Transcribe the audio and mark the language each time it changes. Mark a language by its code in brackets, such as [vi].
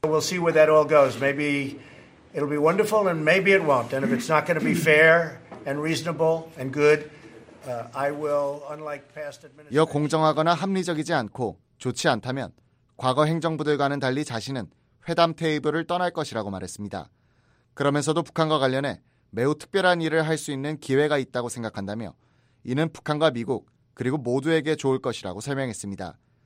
[en] We'll see where that all goes. Maybe it'll be wonderful and maybe it won't. And if it's not going to be fair and reasonable and good, I will, unlike past administrations. [ko] 이어 공정하거나 합리적이지 않고 좋지 않다면 과거 행정부들과는 달리 자신은 회담 테이블을 떠날 것이라고 말했습니다. 그러면서도 북한과 관련해 매우 특별한 일을 할 수 있는 기회가 있다고 생각한다며 이는 북한과 미국 그리고 모두에게 좋을 것이라고 설명했습니다.